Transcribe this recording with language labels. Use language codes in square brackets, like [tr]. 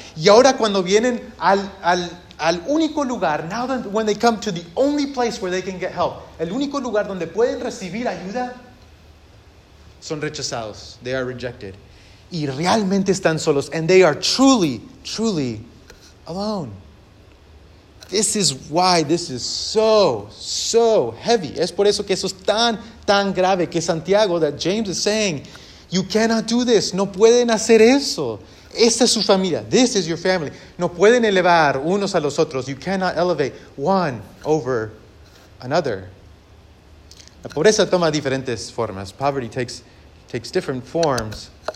[es] Y ahora cuando vienen al único lugar, [en] now that when they come to the only place where they can get help, [es] el único lugar donde pueden recibir ayuda, son rechazados. [en] They are rejected. [es] Y realmente están solos. [en] And they are truly, truly alone. This is why this is so, so heavy. [es] Es por eso que eso es tan, tan grave. Que Santiago, that James is saying, you cannot do this. No pueden hacer eso. Esta es su familia. [en] This is your family. [es] No pueden elevar unos a los otros. [en] You cannot elevate one over another. [es] La pobreza toma diferentes formas. [en] Poverty takes different forms.